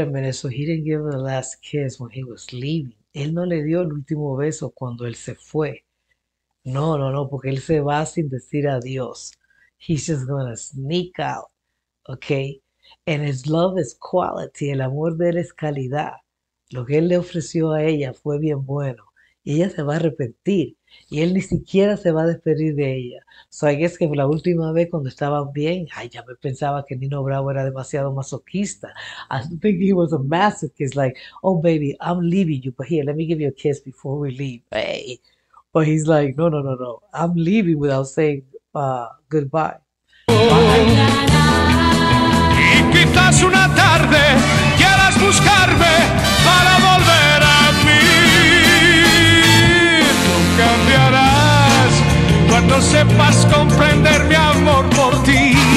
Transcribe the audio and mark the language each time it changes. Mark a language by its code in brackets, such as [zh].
[en] So he didn't give the last kiss when he was leaving. [es] Él no le dio el último beso cuando él se fue. No, no, no, porque él se va sin decir adiós. [en] He's just gonna sneak out. Okay. And his love is quality. [es] El amor de él es calidad. Lo que él le ofreció a ella fue bien bueno. Y ella se va a arrepentir. Y él ni siquiera se va a despedir de ella. [en] So I guess [es] que la última vez cuando estaban bien, ay, ya me pensaba que Nino Bravo era demasiado masoquista. [en] I think he was a masochist, like, oh baby, I'm leaving you, but here, let me give you a kiss before we leave. Hey. But he's like, no, no, no, no, I'm leaving without saying goodbye. Bye. [es] Y quizás una tarde quieras buscarme para volver a mí. Tú cambiarás cuando sepas comprender mi amor por ti.